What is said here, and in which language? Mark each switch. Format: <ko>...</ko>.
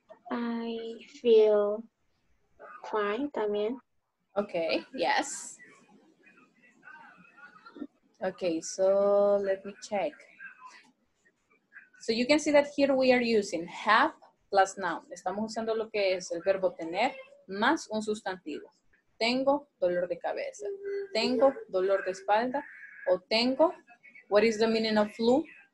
<en>I feel fine también. Okay. Yes. Okay. So let me check. So you can see that here we are using have plus noun.</en> <es>Estamos usando lo que es el verbo tener más un sustantivo. Tengo dolor de cabeza. Tengo dolor de espalda. O tengo,</es> <en>what is the meaning of flu?</en>